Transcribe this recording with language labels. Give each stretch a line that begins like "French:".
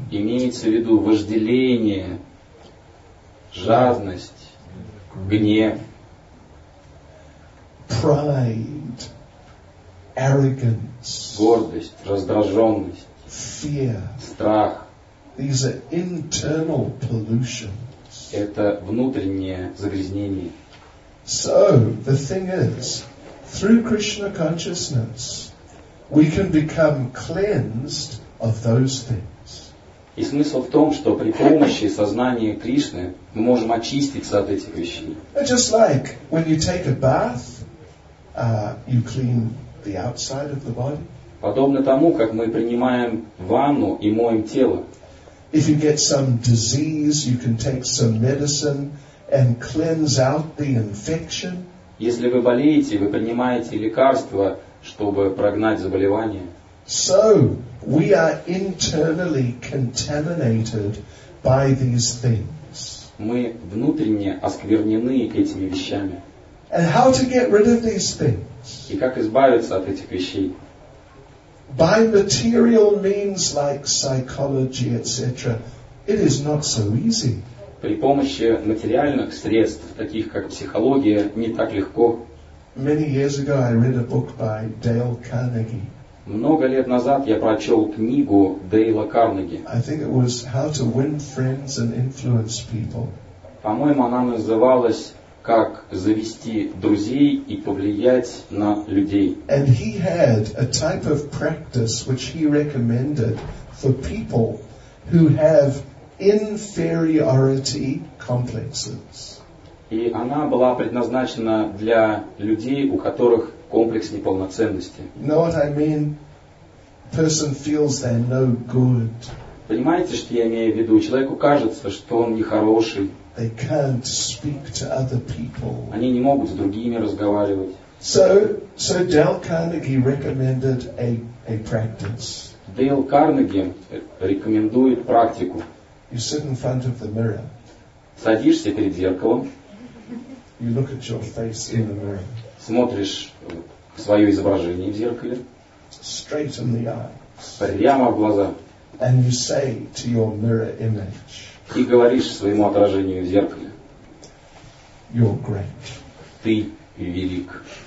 Russian: Имеется в виду вожделение, жадность, гнев,
English: pride, arrogance,
Russian: гордость, раздраженность,
English: fear,
Russian: страх.
English: These are internal pollutions.
Russian: Это внутреннее загрязнение.
English: So the thing is, through Krishna consciousness, we can become cleansed of those things.
Russian: И смысл в том, что при помощи сознания Кришны мы можем очиститься от этих вещей.
English: Just like when you take a bath, you clean the outside of the body.
Russian: Подобно тому, как мы принимаем ванну и моем тело.
English: If you get some disease, you can take some medicine and cleanse out the infection.
Russian: Если вы болеете, вы принимаете лекарства, чтобы прогнать заболевание.
English: So we are internally contaminated by these things.
Russian: Мы внутренне осквернены этими вещами.
English: And how to get rid of these things?
Russian: И как избавиться от этих вещей?
English: By material means like psychology, etc. It is not so easy.
Russian: При помощи материальных средств, таких как психология, не так легко.
English: Many years ago I read a book by Dale Carnegie.
Russian: Много лет назад я прочел книгу Дейла Карнеги.
English: I think it was How to Win Friends and Influence People.
Russian: По-моему, она называлась «Как завести друзей и повлиять на людей».
English: And he had a type of practice which he recommended for people who have inferiority complexes.
Russian: И она была предназначена для людей, у которых комплекс неполноценности.
English: Know what I mean? Person feels they're no good.
Russian: Понимаете, что я имею в виду? Человеку кажется, что он нехороший.
English: They can't speak to other people.
Russian: Они не могут с другими разговаривать.
English: So Dale Carnegie recommended a practice.
Russian: Дейл Карнеги рекомендует практику.
English: You sit in front of the mirror.
Russian: Садишься перед зеркалом.
English: You look at your face in the mirror.
Russian: Смотришь свое изображение в зеркале.
English: Straight in the eyes.
Russian: Прямо в глаза.
English: And you say to your mirror image.
Russian: И говоришь своему отражению в зеркале.
English: You're great.
Russian: Ты велик.